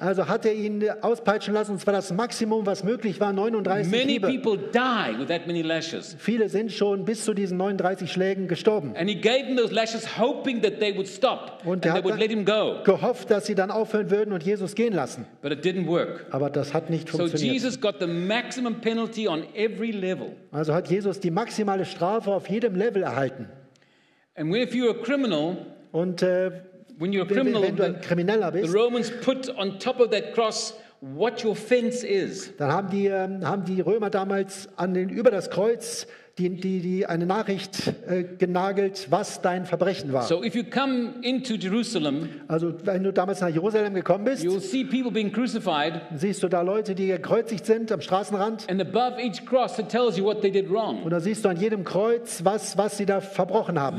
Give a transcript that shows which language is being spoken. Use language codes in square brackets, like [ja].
[de] Also hat er ihn auspeitschen lassen, und zwar das Maximum, was möglich war, 39 Hiebe. [en] Many people die with that many lashes. [de] Viele sind schon bis zu diesen 39 Schlägen gestorben. [en] And he gave them those lashes hoping that they would stop [de] und and [en] they would let him go. [de] Gehofft, dass sie dann aufhören würden und Jesus gehen lassen. [en] But it didn't work. [de] Aber das hat nicht funktioniert. [en] So Jesus got the maximum penalty on every level. [de] Also hat Jesus die maximale Strafe auf jedem Level erhalten. [en] And when if you're a criminal, [de] und [en] when you're a criminal, [de] wenn du ein Krimineller bist, [en] the Romans put on top of that cross what your offense is. [de] Dann haben die Römer damals an den über das Kreuz die eine Nachricht genagelt, was dein Verbrechen war. [en] So if you come into Jerusalem, [de] also wenn du damals nach Jerusalem gekommen bist, [en] you'll see people being crucified, [de] siehst du da Leute, die gekreuzigt sind am Straßenrand. [en] And above each cross it tells you what they did wrong. [de] Und da siehst du an jedem Kreuz, was sie da verbrochen haben.